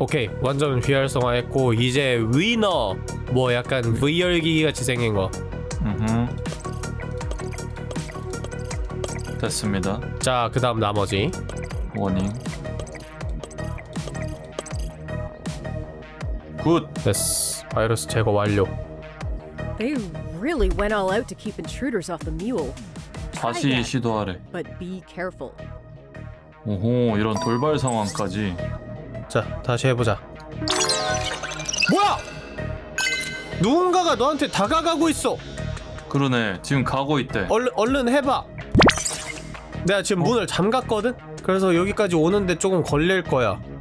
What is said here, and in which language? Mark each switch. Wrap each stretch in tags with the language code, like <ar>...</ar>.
<ko>오케이 완전 휘활성화했고 이제 위너 뭐 약간 VR기기같이 생긴 거. 으흠 됐습니다. 자 그 다음 나머지 워닝 굿. 됐어 바이러스 제거 완료.</ko> <en>They really went all out to keep intruders off the mule.</en> <ko>다시 시도하래.</ko> <en>But be careful.</en> <ko>오호 이런 돌발 상황까지. 자 다시 해보자. 뭐야? 누군가가 너한테 다가가고 있어. 그러네 지금 가고 있대. 얼른 해봐. 내가 지금 문을 잠갔거든? 그래서 여기까지 오는데 조금 걸릴 거야.</ko>